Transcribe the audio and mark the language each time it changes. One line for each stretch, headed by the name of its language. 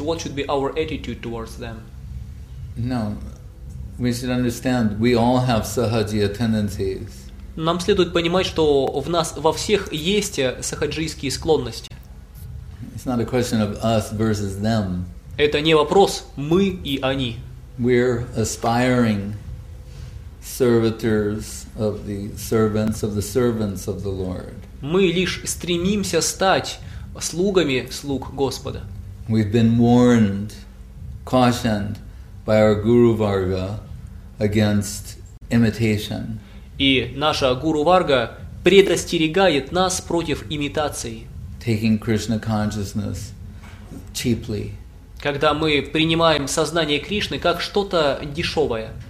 English: What should be our attitude towards them? No, we should understand we all have sahajya tendencies.
Russian: Нам следует понимать, что в нас во всех есть сахаджийские склонности.
English: It's not a question of us versus them.
Russian: Это не вопрос мы и они.
English: We're aspiring servitors of the servants of the servants of the Lord.
Russian: Мы лишь стремимся стать слугами слуг Господа.
English: We've been warned, cautioned by our Guru Varga against imitation.
Russian: И наша Гуру Варга предостерегает нас против имитации.
English: Taking Krishna consciousness cheaply.
Russian: Когда мы принимаем сознание Кришны как что-то дешевое.